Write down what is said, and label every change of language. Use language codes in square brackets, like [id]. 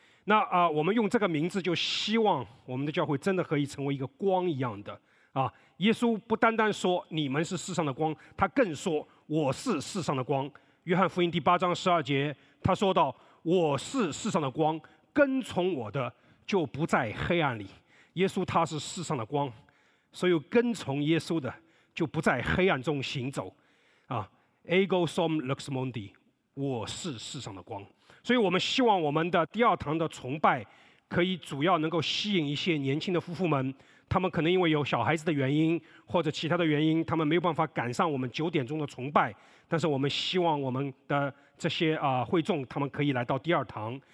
[zh] 那我们用这个名字就希望我们的教会真的可以成为一个光一样的耶稣不单单说你们是世上的光，他更说我是世上的光。约翰福音第八章十二节，他说到，我是世上的光，跟从我的就不在黑暗里。耶稣他是世上的光，所以跟从耶稣的就不在黑暗中行走。 [la] Ego sum lux mundi， [zh] 我是世上的光。所以我们希望我们的第二堂的崇拜可以主要能够吸引一些年轻的夫妇们，他们可能因为有小孩子的原因或者其他的原因，他们没有办法赶上我们九点钟的崇拜，但是我们希望我们的这些会众他们可以来到第二堂。